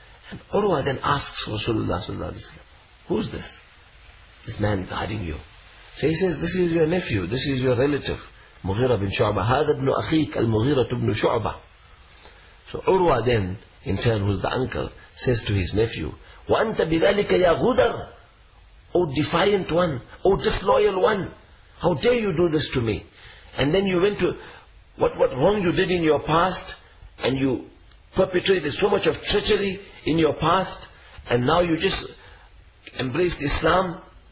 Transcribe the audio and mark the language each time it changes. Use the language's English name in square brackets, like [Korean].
[English] And Urwa then asks Rasulullah sallallahu alayhi wa sallam, who's this? This man guarding you. So he says, this is your nephew, this is your relative, Mughira bin Shu'bah. [Arabic] هذا ابن أخيك المغيرة بن شعبة. [English] So Urwa then, in turn, who's the uncle, says to his nephew, [Arabic] وَأَنْتَ بِذَلِكَ يَا غُدَرْ. [English] O defiant one, O disloyal one, how dare you do this to me? And then you went to, what wrong you did in your past, and you perpetrated so much of treachery in your past, and now you just embraced Islam.